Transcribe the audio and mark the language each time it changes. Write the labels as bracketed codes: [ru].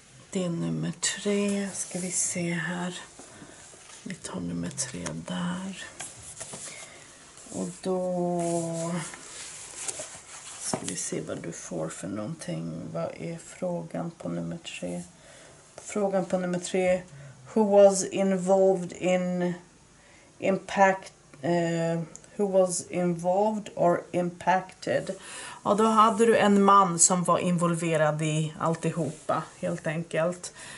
[sv] Det är nummer tre. Ska vi se här. Vi tar nummer tre där. Och då ska vi se vad du får för någonting. Vad är frågan på nummer tre? Frågan på nummer tre. [en] Who was involved in impact? Who was involved or impacted? [sv] Ja, då hade du en man som var involverad i alltihopa helt enkelt.